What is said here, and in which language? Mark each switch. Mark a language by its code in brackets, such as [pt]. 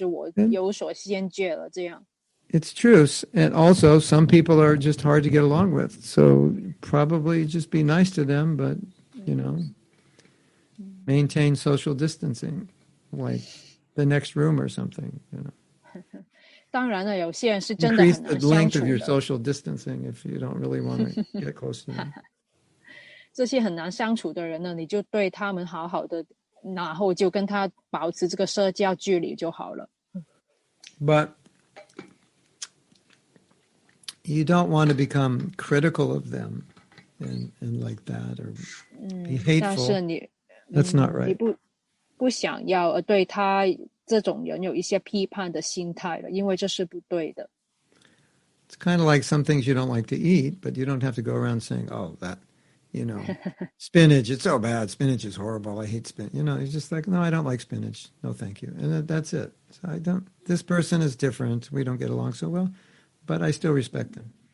[zh] 可能你会要想一下，就是我为什么不能够跟他们好好的相处了？是不是因为我缺乏了一些技巧，或者是我有所先觉了？这样。It's [en] true, and also some people are just hard to get along with. So probably just be nice to them, but you know, maintain social distancing, like the next room or something. You know. [zh] 当然了，有些人是真的很难相处的。Increase [en] the length of your social distancing if you don't really want to get close to them. [zh] 这些很难相处的人呢，你就对他们好好的，然后就跟他保持这个社交距离就好了。But [en] you don't want to become critical of them and like that or be hateful. [zh] 但是你, [en] That's not right. [zh] 你不想要对他 这种人有一些批判的心态了，因为这是不对的。It's [en] kind of like some things you don't like to eat, but you don't have to go around saying, oh, that, you know, spinach, it's so bad. Spinach is horrible. I hate spinach. You know, it's just like, no, I don't like spinach. No, thank you. And that's it. So I don't, this person is different. We don't get along so well, but I still respect them.